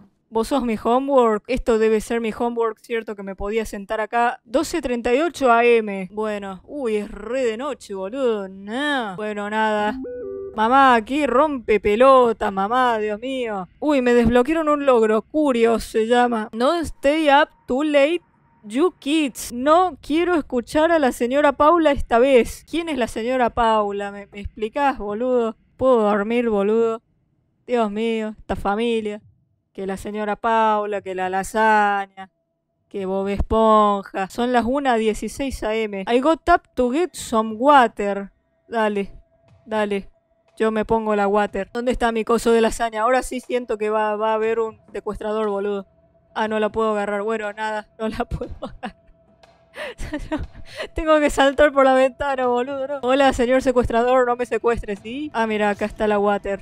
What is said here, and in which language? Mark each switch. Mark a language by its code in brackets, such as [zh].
[es] ¿Vos sos mi homework? Esto debe ser mi homework, ¿cierto? Que me podía sentar acá. 12:38 a.m. Bueno, uy, es re de noche, boludo. No. Bueno, nada. Mamá, aquí rompe pelota, mamá, Dios mío. Uy, me desbloquearon un logro. Curios se llama. [en] No stay up too late, you kids. [es] No quiero escuchar a la señora Paula esta vez. ¿Quién es la señora Paula? ¿Me explicás, boludo? ¿Puedo dormir, boludo? Dios mío, esta familia. que la señora Paula, que la lasaña, que Bob Esponja. Son las 1:16 a.m. [en] I got up to get some water. [es] Dale, dale. Yo me pongo la water. ¿Dónde está mi coso de lasaña? Ahora sí siento que va a haber un secuestrador, boludo. Ah, no la puedo agarrar. Bueno, nada, no la puedo agarrar. Tengo que saltar por la ventana, boludo, ¿no? Hola, señor secuestrador, no me secuestres, ¿sí? Ah, mira, acá está la water.